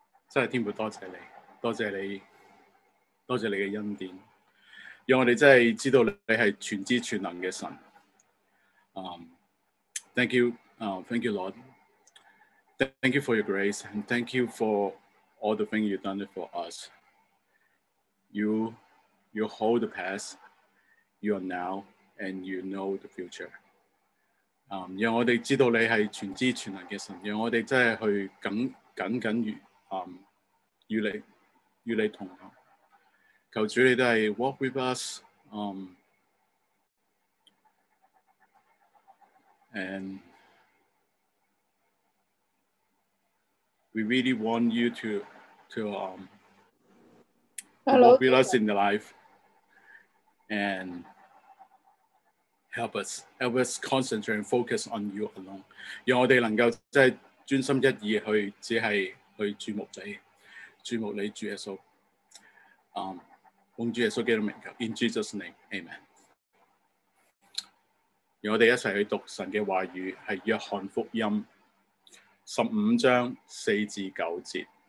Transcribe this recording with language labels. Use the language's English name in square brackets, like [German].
[Chinese] 真的天父多谢你，多谢你，多谢你的恩典，让我们真的知道你是全知全能的神。 [English] Thank you, thank you, Lord. Thank you for your grace, and thank you for all the things you've done for us. You hold the past, you are now, and you know the future. [Chinese] 让我们知道你是全知全能的神，让我们真的去紧紧与你同行。求主你都是 [English] walk with us, and we really want you to walk with us in the life and help us concentrate and focus on you alone. [Chinese] 让我们能够真的专心一意去只是去注目你主耶稣。奉主耶稣基督的名求， [English] In Jesus' name, Amen. [Chinese] 让我们一起去读神的话语，是约翰福音15:4-9。